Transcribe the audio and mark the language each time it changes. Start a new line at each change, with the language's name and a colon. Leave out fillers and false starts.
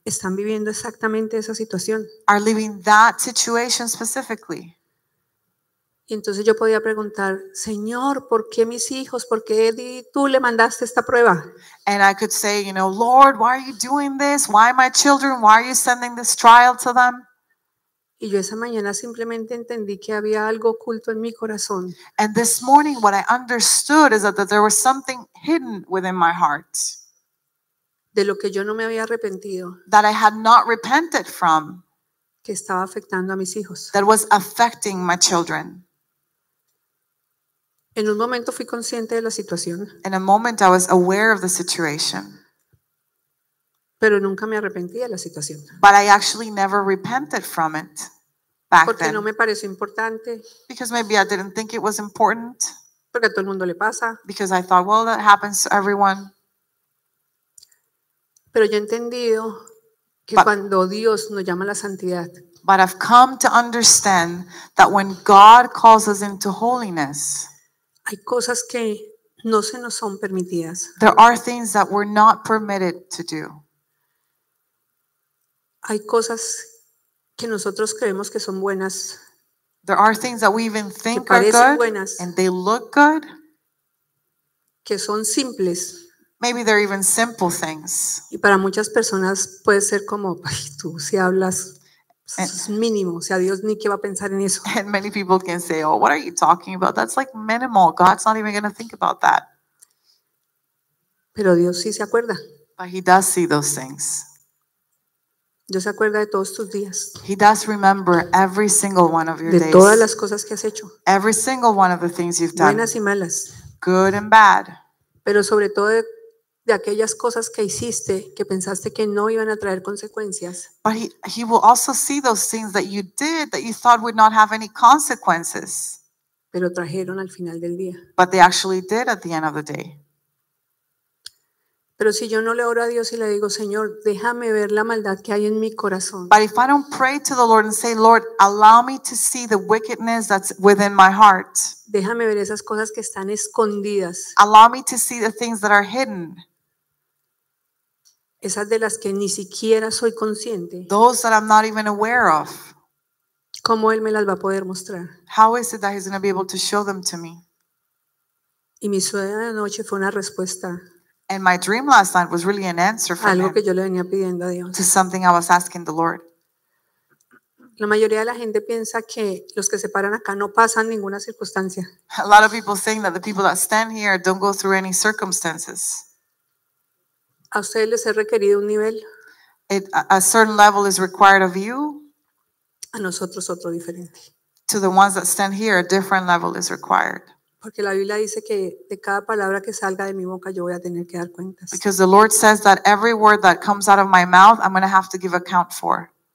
Spanish: están viviendo exactamente esa situación.
English: Are living that situation specifically.
Spanish: Y entonces yo podía preguntar, Señor, ¿por qué mis hijos? ¿Por qué tú le mandaste esta prueba?
English: And I could say, you know, Lord, why are you doing this? Why my children? Why are you sending this trial to them?
Spanish: Y yo esa mañana simplemente entendí que había algo oculto en mi corazón.
English: And this morning what I understood is that there was something hidden within my heart.
Spanish: De lo que yo no me había arrepentido.
English: That I had not repented from.
Spanish: Que estaba afectando a mis hijos.
English: That was affecting my children.
Spanish: En un momento fui consciente de la situación.
English: In a moment I was aware of the situation.
Spanish: Pero nunca me arrepentí de la situación.
English: But I actually never repented from it back
Spanish: Porque
English: then.
Spanish: Porque no me pareció importante.
English: Because maybe I didn't think it was important.
Spanish: Porque a todo el mundo le pasa.
English: Because I thought, well, that happens to everyone.
Spanish: Pero yo he entendido que
English: but,
Spanish: cuando Dios nos llama a la santidad.
English: But I've come to understand that when God calls us into holiness.
Spanish: Hay cosas que no se nos son permitidas.
English: There are things that we're not permitted to do.
Spanish: Hay cosas que nosotros creemos que son buenas.
English: There are things that we even think
Spanish: que parecen
English: are good,
Spanish: buenas.
English: And they look good.
Spanish: Que son simples.
English: Maybe they're even simple things.
Spanish: Y para muchas personas puede ser como, ay, tú si hablas, es mínimo, o sea, Dios ni qué va a pensar en eso.
English: And many people can say, oh, what are you talking about? That's like minimal. God's not even going to think about that.
Spanish: Pero Dios sí se acuerda.
English: But he does see those things.
Spanish: Dios se acuerda de todos tus días.
English: He does remember every single one of your
Spanish: de
English: days.
Spanish: De todas las cosas que has hecho.
English: Every single one of the things you've done.
Spanish: Buenas y malas.
English: Good and bad.
Spanish: Pero sobre todo de aquellas cosas que hiciste que pensaste que no iban a traer consecuencias.
English: But he will also see those things that you did that you thought would not have any consequences.
Spanish: Pero trajeron al final del día.
English: But they actually did at the end of the day.
Spanish: Pero si yo no le oro a Dios y le digo, Señor, déjame ver la maldad que hay en mi corazón.
English: But if I don't pray to the Lord and say, Lord, allow me to see the wickedness that's within my heart.
Spanish: Déjame ver esas cosas que están escondidas.
English: Allow me to see the things that are hidden.
Spanish: Esas de las que ni siquiera soy consciente.
English: Those that I'm not even aware of.
Spanish: ¿Cómo Él me las va a poder mostrar?
English: How is it that He's going to be able to show them to me?
Spanish: Y mi sueño de anoche fue una respuesta.
English: And my dream last night was really an answer for
Spanish: algo que yo le venía pidiendo a Dios.
English: To something I was asking the Lord.
Spanish: La mayoría de la gente piensa que los que se paran acá no pasan ninguna circunstancia.
English: A lot of people think that the people that stand here don't go through any circumstances.
Spanish: A ustedes les he requerido un nivel.
English: A certain level is required of you.
Spanish: A nosotros otro diferente.
English: To the ones that stand here, a different level is required.
Spanish: Porque la Biblia dice que de cada palabra que salga de mi boca yo voy a tener que dar cuentas.
English: Because the Lord says that every word that comes out of my mouth I'm going to have to give account for.